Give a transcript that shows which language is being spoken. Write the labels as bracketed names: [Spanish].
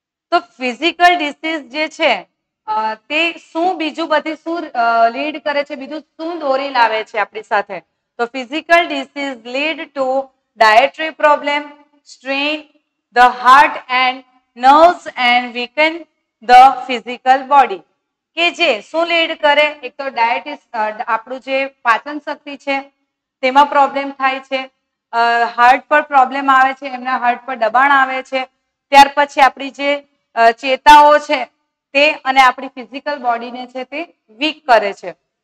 [Gujarati] તો physical disease જે છે તે શું બીજું બધું શું લીડ કરે છે, બીજું શું દોરી લાવે છે આપણી સાથે? [English] તો physical disease lead to dietary problem, strain the heart and nerves and weaken the physical body. [Gujarati] કે જે શું લીડ કરે, એક તો ડાયટ આપણું જે પાચન શક્તિ છે તેમાં પ્રોબ્લેમ થાય છે, હાર્ટ પર પ્રોબ્લેમ આવે છે, એમના હાર્ટ પર દબાણ આવે છે, ત્યાર પછી આપણી જે ચેતાઓ છે તે અને આપણી ફિઝિકલ બોડીને છે તે વીક કરે છે.